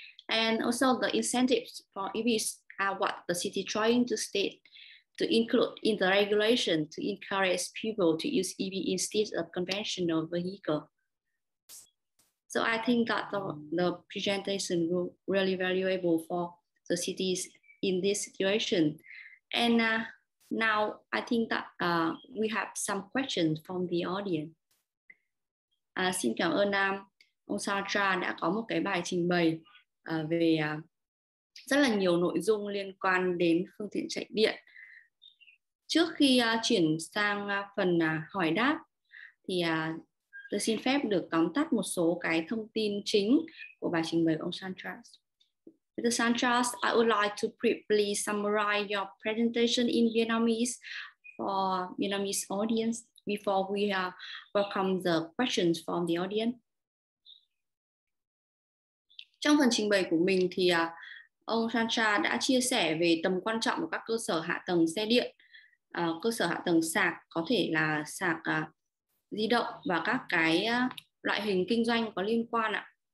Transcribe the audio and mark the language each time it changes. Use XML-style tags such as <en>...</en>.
<en>And also the incentives for EVs are what the city trying to state to include in the regulation to encourage people to use EV instead of conventional vehicle. So I think that the presentation will really valuable for the cities in this situation. And now I think that we have some questions from the audience.</en> <vi>Xin cảm ơn ông Sartra đã có một cái bài trình bày về rất là nhiều nội dung liên quan đến phương tiện chạy điện. Trước khi chuyển sang phần hỏi đáp, thì tôi xin phép được tóm tắt một số cái thông tin chính của bài trình bày ông Santras.</vi> <en>Mr. Santras, I would like to briefly summarize your presentation in Vietnamese for Vietnamese audience before we welcome the questions from the audience.</en> <vi>Trong phần trình bày của mình thì ông Sancha đã chia sẻ về tầm quan trọng của các cơ sở hạ tầng xe điện, cơ sở hạ tầng sạc, có thể là sạc di động và các cái loại hình kinh doanh có liên quan ạ.</vi>